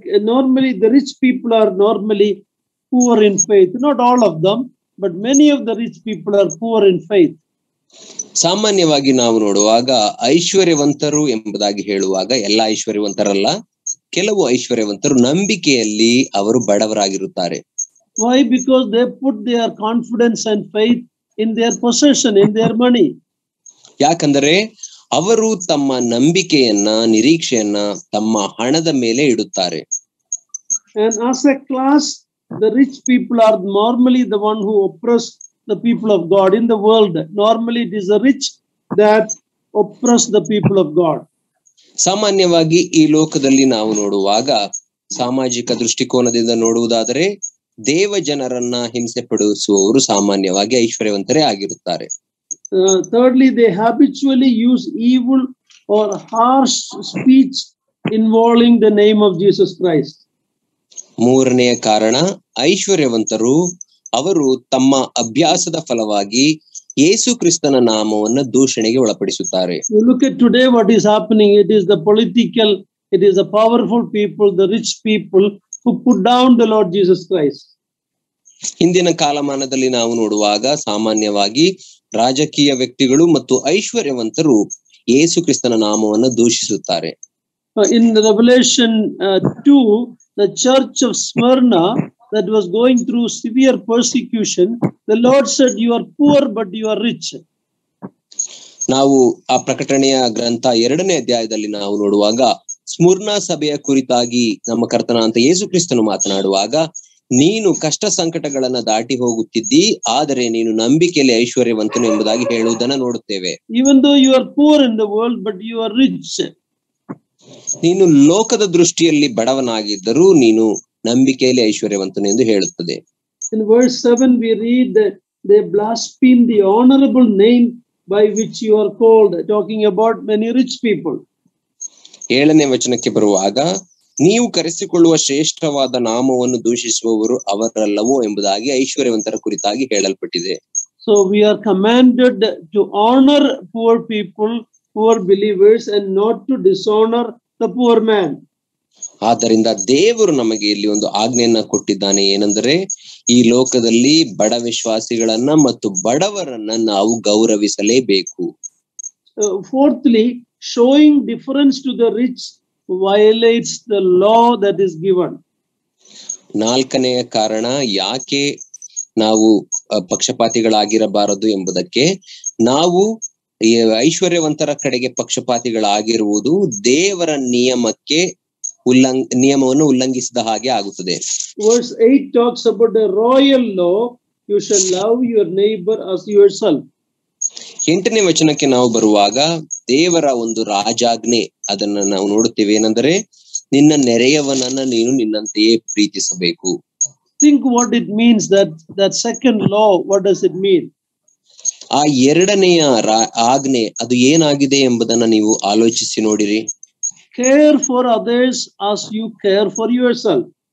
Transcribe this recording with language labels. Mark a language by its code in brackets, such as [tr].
[en] Normally the rich people are normally poor in faith. Not all of them, but many of the rich people are poor in faith. [kn] ಸಾಮಾನ್ಯವಾಗಿ ನಾವು ನೋಡುವಾಗ ಐಶ್ವರ್ಯವಂತರು ಎಂಬುದಾಗಿ ಹೇಳುವಾಗ ಎಲ್ಲ ಐಶ್ವರ್ಯವಂತರಲ್ಲ, ಕೆಲವು ಐಶ್ವರ್ಯವಂತರು ನಂಬಿಕೆಯಲ್ಲಿ ಅವರು ಬಡವರಾಗಿರುತ್ತಾರೆ. [en] Why? Because they put their confidence and faith in their possession, in their money. [kn] ಯಾಕಂದರೆ ಅವರು ತಮ್ಮ ನಂಬಿಕೆಯನ್ನ, ನಿರೀಕ್ಷೆಯನ್ನ ತಮ್ಮ ಹಣದ ಮೇಲೆ ಇಡುತ್ತಾರೆ. [en] And as a class, the rich people are normally the one who oppress the people of God in the world. Normally it is the rich that oppress the people of God. [kn] ಸಾಮಾನ್ಯವಾಗಿ ಈ ಲೋಕದಲ್ಲಿ ನಾವು ನೋಡುವಾಗ ಸಾಮಾಜಿಕ ದೃಷ್ಟಿಕೋನದಿಂದ ನೋಡುವುದಾದರೆ ದೇವ ಜನರನ್ನ ಹಿಂಸೆ ಪಡಿಸುವವರು ಸಾಮಾನ್ಯವಾಗಿ ಐಶ್ವರ್ಯವಂತರೇ ಆಗಿರುತ್ತಾರೆ. [en] Thirdly, they habitually use evil or harsh speech involving the name of Jesus Christ. [kn] ಮೂರನೆಯ ಕಾರಣ, ಐಶ್ವರ್ಯವಂತರು ಅವರು ತಮ್ಮ ಅಭ್ಯಾಸದ ಫಲವಾಗಿ ಯೇಸು ಕ್ರಿಸ್ತನ ನಾಮವನ್ನು ದೂಷಣೆಗೆ ಒಳಪಡಿಸುತ್ತಾರೆ. [en] You look at today what is happening. It is the political, it is the powerful people, the rich people who put down the Lord Jesus Christ. [kn] ಹಿಂದಿನ ಕಾಲಮಾನದಲ್ಲಿ ನಾವು ನೋಡುವಾಗ ಸಾಮಾನ್ಯವಾಗಿ ರಾಜಕೀಯ ವ್ಯಕ್ತಿಗಳು ಮತ್ತು ಐಶ್ವರ್ಯವಂತರು ಯೇಸು ಕ್ರಿಸ್ತನ ನಾಮವನ್ನು ದೂಷಿಸುತ್ತಾರೆ. [en] In Revelation 2, the church of Smyrna that was going through severe persecution, the Lord said, you are poor but you are rich. [kn] ನಾವು ಆ ಪ್ರಕಟಣೆಯ ಗ್ರಂಥ 2ನೇ ಅಧ್ಯಾಯದಲ್ಲಿ ನಾವು ನೋಡುವಾಗ ಸ್ಮುರ್ನ ಸಭೆಯ ಕುರಿತಾಗಿ ನಮ್ಮ ಕರ್ತನಾದ ಯೇಸು ಕ್ರಿಸ್ತನು ಮಾತನಾಡುವಾಗ, ನೀನು ಕಷ್ಟ ಸಂಕಟಗಳನ್ನ ದಾಟಿ ಹೋಗುತ್ತಿದ್ದಿ, ಆದರೆ ನೀನು ನಂಬಿಕೆಯಲ್ಲಿ ಐಶ್ವರ್ಯವಂತನು ಎಂಬುದಾಗಿ ಹೇಳುವುದನ್ನ ನೋಡುತ್ತೇವೆ. [en] Even though you are poor in the world but you are rich. [kn] ನೀನು ಲೋಕದ ದೃಷ್ಟಿಯಲ್ಲಿ ಬಡವನಾಗಿದ್ದರೂ ನೀನು ನಂಬಿಕೆಯಲ್ಲಿ ಐಶ್ವರ್ಯವಂತನು ಎಂದು ಹೇಳುತ್ತದೆ. [en] In verse 7 we read that they blaspheme the honorable name by which you are called, talking about many rich people. [kn] 7ನೇ ವಚನಕ್ಕೆ ಬರುವಾಗ, ನೀವು ಕರೆಸಿಕೊಳ್ಳುವ ಶ್ರೇಷ್ಠವಾದ ನಾಮವನ್ನು ದೂಷಿಸುವವರು ಅವರಲ್ಲವೋ ಎಂಬುದಾಗಿ ಐಶ್ವರ್ಯವಂತರ ಕುರಿತಾಗಿ ಹೇಳಲ್ಪಟ್ಟಿದೆ. [en] So we are commanded to honor poor people, poor believers, and not to dishonor the poor man. [kn] ಆದ್ದರಿಂದ ದೇವರು ನಮಗೆ ಇಲ್ಲಿ ಒಂದು ಆಜ್ಞೆಯನ್ನ ಕೊಟ್ಟಿದ್ದಾನೆ, ಏನಂದರೆ ಈ ಲೋಕದಲ್ಲಿ ಬಡ ವಿಶ್ವಾಸಿಗಳನ್ನ ಮತ್ತು ಬಡವರನ್ನ ನಾವು ಗೌರವಿಸಲೇಬೇಕು. [en] Fourthly, showing difference to the rich violates the law that is given. [kn] ನಾಲ್ಕನೆಯ ಕಾರಣ, ಯಾಕೆ ನಾವು ಪಕ್ಷಪಾತಿಗಳಾಗಿರಬಾರದು ಎಂಬುದಕ್ಕೆ, ನಾವು ಐಶ್ವರ್ಯವಂತರ ಕಡೆಗೆ ಪಕ್ಷಪಾತಿಗಳಾಗಿರುವುದು ದೇವರ ನಿಯಮಕ್ಕೆ ನಿಯಮವನ್ನು ಉಲ್ಲಂಘಿಸಿದ ಹಾಗೆ ಆಗುತ್ತದೆ. [en] Verse 8 talks about the royal law, you shall love your neighbor as yourself. [kn] 8ನೇ ವಚನಕ್ಕೆ ನಾವು ಬರುವಾಗ ದೇವರ ಒಂದು ರಾಜಾಜ್ಞೆ ಅದನ್ನ ನಾವು ನೋಡುತ್ತೇವೆ, ಏನಂದರೆ ನಿನ್ನ ನೆರೆಯವನನ್ನ ನೀನು ನಿನ್ನಂತೆಯೇ ಪ್ರೀತಿಸಬೇಕು. [en] Think what it means, that second law, what does it mean? [kn] ಆ ಎರಡನೆಯ ಆಜ್ಞೆ ಅದು ಏನಾಗಿದೆ ಎಂಬುದನ್ನ ನೀವು ಆಲೋಚಿಸಿ ನೋಡಿರಿ. [en] Care for others as you care for yourself.